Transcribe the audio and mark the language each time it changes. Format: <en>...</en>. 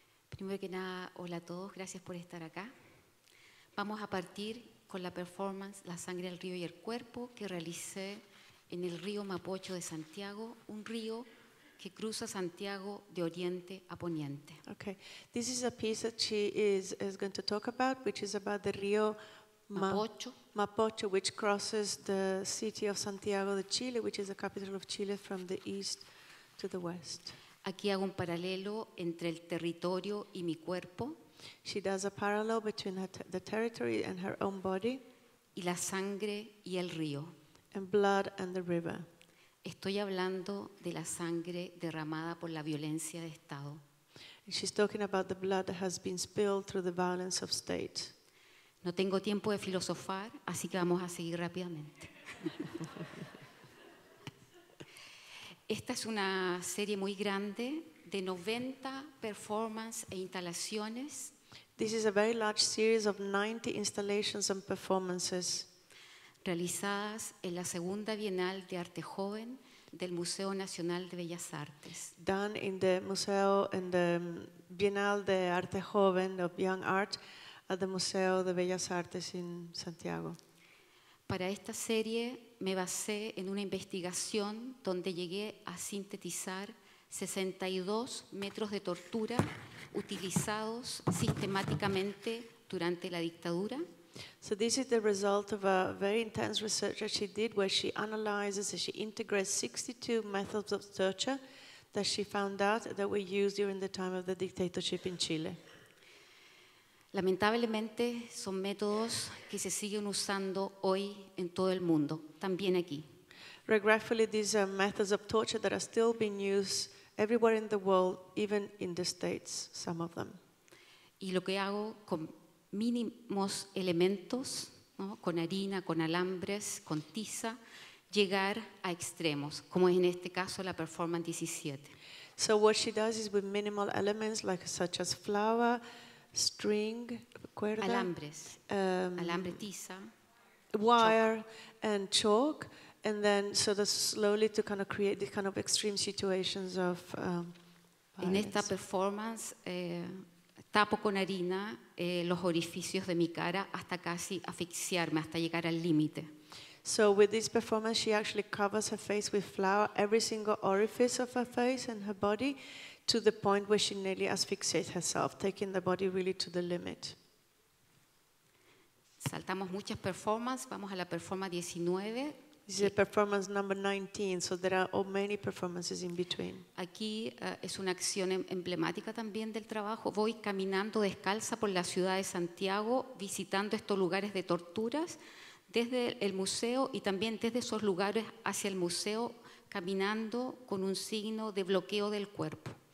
<es>Primero que nada, hola a todos, gracias por estar acá. Vamos a partir con la performance La sangre, el río y el cuerpo que realicé en el río Mapocho de Santiago, un río que cruza Santiago de oriente a poniente.</es> <en>Okay, this is a piece that she is going to talk about, which is about the</en> <es>río</es> <en>Mapocho, which crosses the city of Santiago de Chile, which is the capital of Chile, from the east to the west.</en> <es>Aquí hago un paralelo entre el territorio y mi cuerpo.</es> <en>She does a parallel between the territory and her own body.</en> <es>Y la sangre y el río.</es> <en>And blood and the river.</en> <es>Estoy hablando de la sangre derramada por la violencia de Estado.</es> <en>And she's talking about the blood that has been spilled through the violence of state.</en> <es>No tengo tiempo de filosofar, así que vamos a seguir rápidamente. Esta es una serie muy grande de 90 performances e instalaciones.</es> <en>This is a very large series of 90 installations and performances</en> <es>realizadas en la segunda Bienal de Arte Joven del Museo Nacional de Bellas Artes.</es> <en>Done in the Museo in the Bienal de Arte Joven of Young Art at the Museo de Bellas Artes in Santiago.</en> <es>Para esta serie me basé en una investigación donde llegué a sintetizar 62 metros de tortura utilizados sistemáticamente durante la dictadura.</es> <en>So this is the result of a very intense research that she did where she analyzes and she integrates 62 methods of torture that she found out that were used during the time of the dictatorship in Chile.</en> <es>Lamentablemente, son métodos que se siguen usando hoy en todo el mundo, también aquí.</es> <en>Regretfully, these are methods of torture that are still being used everywhere in the world, even in the States, some of them.</en> <es>Y lo que hago con mínimos elementos, ¿no? Con harina, con alambres, con tiza, llegar a extremos, como es en este caso la performance 17.</es> <en>So what she does is with minimal elements, like such as flour, string,</en> <es>cuerda, alambres, alambre, tiza,</es> <en>wire, chalk. And chalk, and then so that slowly to kind of create the kind of extreme situations of violence.</en> <es>En esta performance, tapo con harina los orificios de mi cara hasta casi asfixiarme, hasta llegar al límite.</es> <en>So with this performance, she actually covers her face with flour, every single orifice of her face and her body, to the point where she nearly asphyxiates herself, taking the body really to the limit.</en> <es>Saltamos muchas performances. Vamos a la performance 19.</es> <en>This is a performance number 19, so there are all many performances in between.</en> <es>Aquí es una acción emblemática también del trabajo. Voy caminando descalza por la ciudad de Santiago, visitando estos lugares de torturas, desde el museo y también desde esos lugares hacia el museo, caminando con un signo de bloqueo del cuerpo.</es>